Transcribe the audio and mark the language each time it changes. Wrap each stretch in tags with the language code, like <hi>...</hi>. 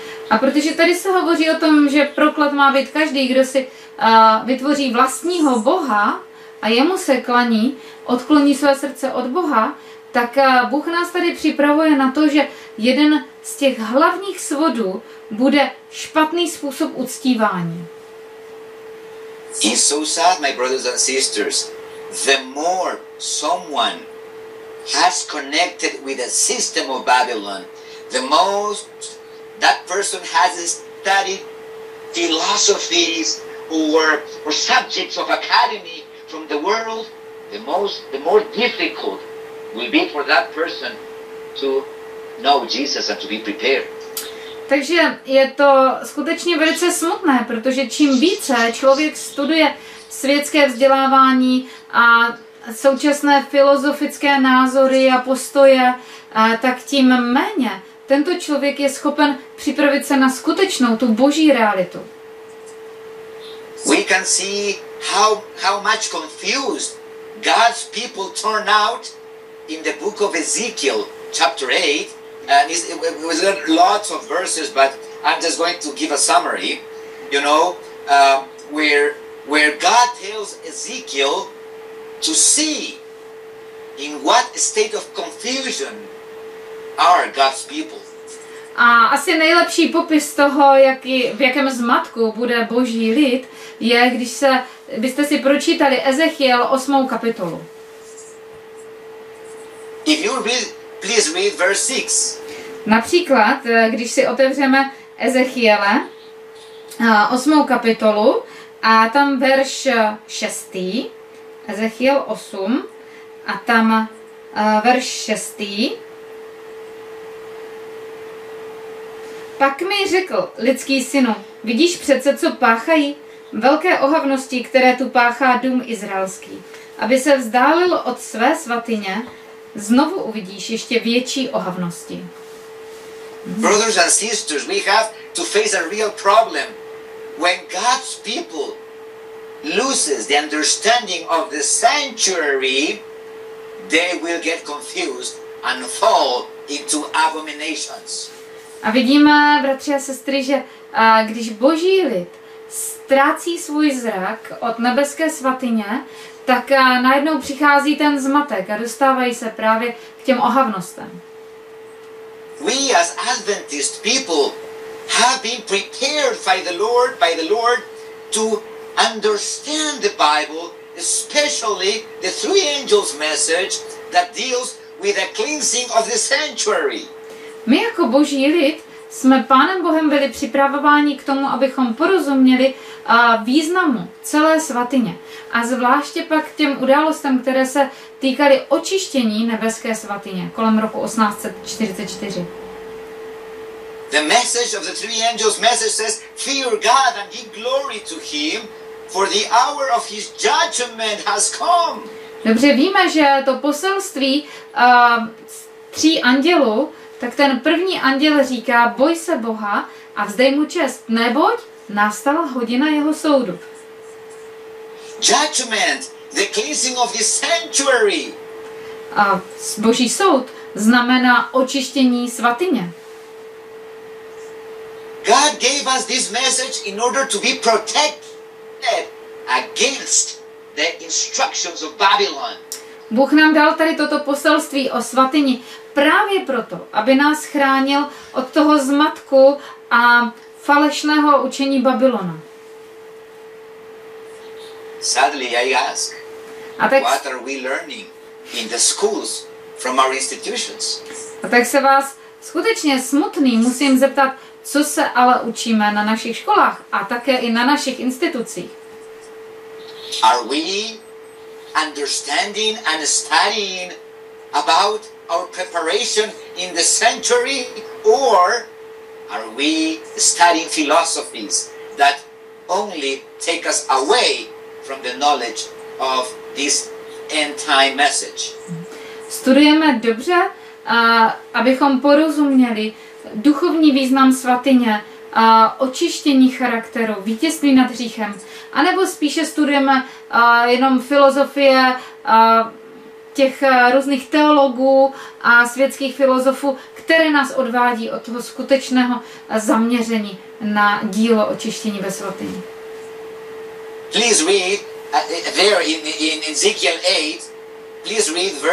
<cs>A protože tady se hovoří o tom, že proklet má být každý, kdo si vytvoří vlastního Boha a jemu se klaní, odkloní své srdce od Boha, tak Bůh nás tady připravuje na to, že jeden z těch hlavních svodů bude špatný způsob uctívání.</cs> <en>It's so sad, my brothers and sisters. The more someone has connected with the system of Babylon, the most that person has studied philosophies or subjects of academy from the world, the more difficult will be for that person to know Jesus and to be prepared.</en> <cs>Takže je to skutečně velice smutné, protože čím více člověk studuje světské vzdělávání a současné filozofické názory a postoje, tak tím méně tento člověk je schopen připravit se na skutečnou tu Boží realitu.</cs> <en>We can see how much confused God's people turn out in the book of Ezekiel, chapter 8, and it was lots of verses, but I'm just going to give a summary, you know, where God tells Ezekiel to see in what state of confusion are God's people.</en> <cs>A asi nejlepší popis toho, v jakém zmatku bude Boží lid, je, když byste si pročítali Ezechiel 8. kapitolu.</cs> <en>If you read, please read verse 6.</en> <cs>Například, když si otevřeme Ezechiele 8. kapitolu a tam verš 6. Ezechiel 8 a tam verš 6. Pak mi řekl, lidský synu, vidíš přece, co páchají? Velké ohavnosti, které tu páchá dům izraelský. Aby se vzdálil od své svatyně, znovu uvidíš ještě větší ohavnosti.</cs> <en>Brothers and sisters, we have to face a real problem. When God's people loses the understanding of the sanctuary, they will get confused and fall into abominations.</en> <cs>A vidíme, bratři a sestry, že když Boží lid ztrácí svůj zrak od nebeské svatyně, tak najednou přichází ten zmatek a dostávají se právě k těm ohavnostem.</cs> <en>We as Adventist people have been prepared by the Lord to understand the Bible, especially the three angels' message that deals with the cleansing of the sanctuary.</en> <cs>My jako Boží lid jsme Pánem Bohem byli připravováni k tomu, abychom porozuměli významu celé svatyně. A zvláště pak těm událostem, které se týkaly očištění nebeské svatyně kolem roku 1844.</cs> <en>The message of the three angels message says, fear God and give glory to him, for the hour of his judgment has come.</en> <cs>Dobře víme, že to poselství tří andělů, tak ten první anděl říká, boj se Boha a vzdej mu čest, neboť nastala hodina jeho soudu.</cs> <en>Judgment, the cleansing of the sanctuary.</en> <cs>A Boží soud znamená očištění svatyně.</cs> <en>God gave us this message in order to be protected against the instructions of Babylon.</en> <cs>Bůh nám dal tady toto poselství o svatyni právě proto, aby nás chránil od toho zmatku a falešného učení Babylona.</cs> <en>Sadly, I ask, what are we learning in the schools from our institutions?</en> <cs>A tak se vás skutečně smutný musím zeptat, co se ale učíme na našich školách a také i na našich institucích.</cs> <en>Are we understanding and studying about our preparation in the sanctuary, or are we studying philosophies that only take us away from the knowledge of this end time message?</en> <cs>Studujeme dobře, abychom porozuměli duchovní význam svatyně, očištění charakteru, vítězství nad hříchem, anebo spíše studujeme jenom filozofie těch různých teologů a světských filozofů, které nás odvádí od toho skutečného zaměření na dílo očištění ve svatyni.</cs> <en>Please read there in Ezekiel 8.</en>